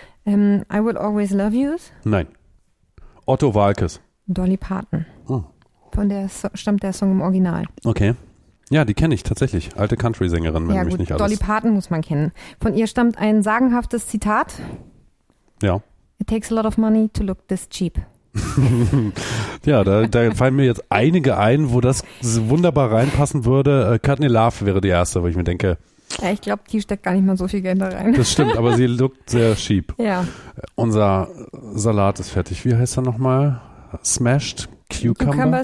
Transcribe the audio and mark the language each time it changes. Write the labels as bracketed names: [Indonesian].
[English] I Will Always Love Yous? [German] Nein. Otto Waalkes. Dolly Parton. Oh. Von der stammt der Song im Original. Okay. Ja, die kenne ich tatsächlich. Alte Country-Sängerin, wenn ja, mich gut. nicht alles. Dolly Parton muss man kennen. Von ihr stammt ein sagenhaftes Zitat. Ja. [English] It takes a lot of money to look this cheap. [German] Ja, da fallen mir jetzt einige ein, wo das wunderbar reinpassen würde. Courtney Love wäre die erste, wo ich mir denke. Ja, ich glaube, die steckt gar nicht mal so viel Geld da rein. Das stimmt, aber sie lookt sehr cheap. Ja. Unser Salat ist fertig. Wie heißt er nochmal? Smashed Cucumber